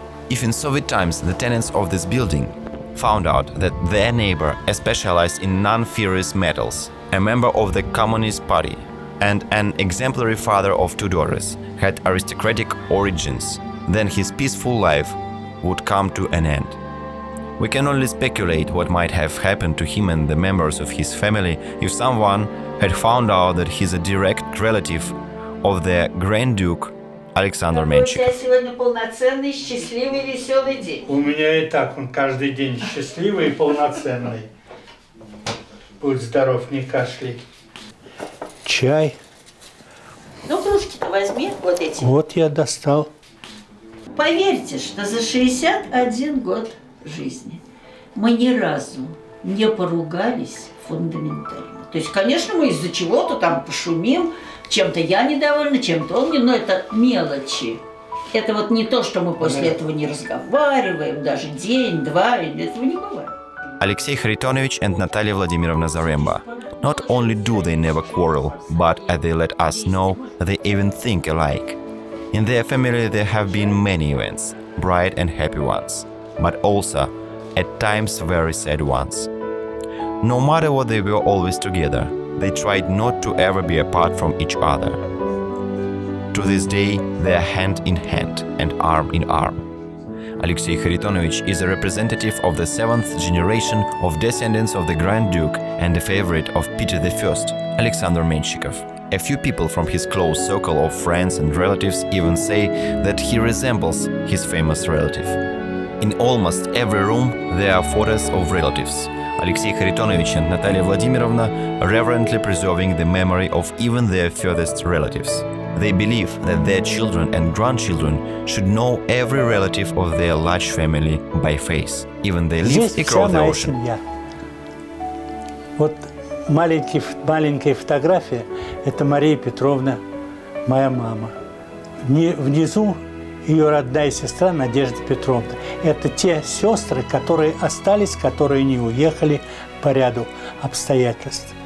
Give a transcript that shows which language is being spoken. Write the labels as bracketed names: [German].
[English] If in Soviet times the tenants of this building found out that their neighbor specialized in non-ferrous metals, a member of the Communist Party, and an exemplary father of two daughters had aristocratic origins, then his peaceful life would come to an end. We can only speculate what might have happened to him and the members of his family if someone had found out that he's a direct relative of the Grand Duke Александр Менщиков. [Russian] Какой у тебя сегодня полноценный, счастливый, веселый день? У меня и так, он каждый день счастливый и полноценный. Будь здоров, не кашляй. Чай. Ну, кружки-то возьми, вот эти. Вот я достал. Поверьте, что за 61 год жизни мы ни разу не поругались фундаментально. То есть, конечно, мы из-за чего-то там пошумим. Чем-то я недовольна, чем-то он не, но это мелочи. Это вот не то, что мы после этого не разговариваем, даже день, два, этого не бывает. [English] Алексей Харитонович and Наталья Владимировна Заремба. Not only do they never quarrel, but as they let us know, they even think alike. In their family there have been many events, bright and happy ones, but also at times very sad ones. No matter what, they were always together. They tried not to ever be apart from each other. To this day, they are hand in hand and arm in arm. Алексей Харитонович is a representative of the seventh generation of descendants of the Grand Duke and a favorite of Peter the First, Александр Меньшиков. A few people from his close circle of friends and relatives even say that he resembles his famous relative. In almost every room there are photos of relatives. Алексей Харитонович and Наталья Владимировна reverently preserving the memory of even their furthest relatives. They believe that their children and grandchildren should know every relative of their large family by face, even they live across the ocean. [Russian] Семья. Вот маленькая фотография – это Мария Петровна, моя мама. Внизу ее родная сестра Надежда Петровна. Это те сестры, которые остались, которые не уехали по ряду обстоятельств.